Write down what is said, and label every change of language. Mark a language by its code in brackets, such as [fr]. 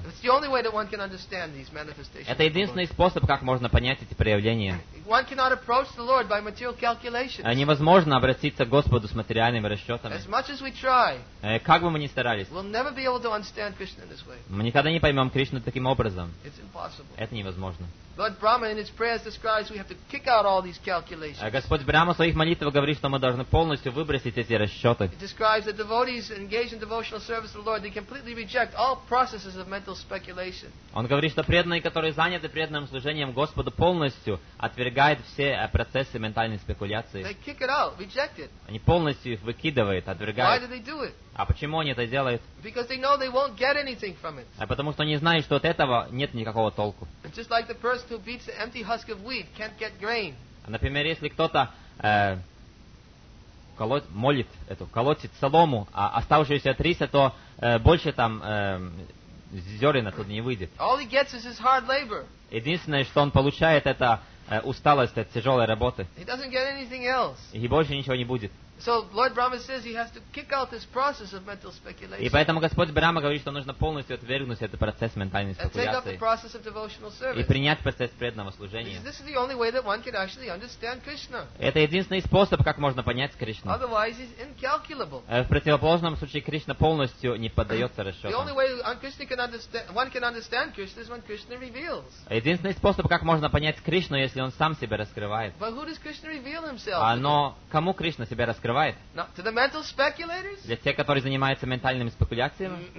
[ru] Это единственный способ, как можно понять эти проявления. [en] One cannot approach the Lord by material calculations. [ru] Невозможно обратиться к Господу с материальными расчетами. [en] As much as we try, [ru] как бы мы ни старались, [en] we'll never be able to understand Krishna in this way. [ru] Мы никогда не поймем Кришну таким образом. [en] It's impossible. [ru] Это невозможно. [en] Lord Brahma in his prayers describes we have to kick out all these calculations. [ru] Господь Брама в своих молитвах говорит, что мы должны полностью выбросить эти расчеты. [en] It describes that devotees engaged in devotional service to the Lord, they completely reject all processes of mental speculation. [ru] Он говорит, что преданные, которые заняты преданным служением Господу, полностью отвергают все процессы ментальной спекуляции. [en] They kick it out, reject it. [ru] Они полностью их выкидывают, отвергают. [en] Why do they do it? [ru] А почему они это делают? [en] Because they know they won't get anything from it. [ru] А потому что они знают, что от этого нет никакого толку. [en] Just like the person who beats the empty husk of wheat can't get grain. [ru] Например, если кто-то колотит солому, а оставшуюся от риса, то больше там зерен оттуда не выйдет. [en] All he gets is his hard labor. [ru] Единственное, что он получает, это усталость от тяжелой работы. [en] He doesn't get anything else. [ru] И больше ничего не будет. [en] So Lord Brahma says he has to kick out this process of mental speculation. [ru] И поэтому Господь Брама говорит, что нужно полностью отвергнуть этот процесс ментальной спекуляции. [en] And take up the process of devotional service. [ru] И принять процесс преданного служения. [en] This is the only way that one can actually understand Krishna. [ru] Это единственный способ, как можно понять Кришну. [en] Otherwise, he's incalculable. [ru] В противоположном случае Кришна полностью не поддается расчету. [en] The only way Krishna can understand, one can understand Krishna is when Krishna reveals. [ru] Единственный способ, как можно понять Кришну, если он сам себя раскрывает. [en] But who does Krishna reveal himself? [ru] Но кому Кришна себя раскрывает? [en] To the mental speculators? [ru] Для тех, которые занимаются ментальными спекуляциями?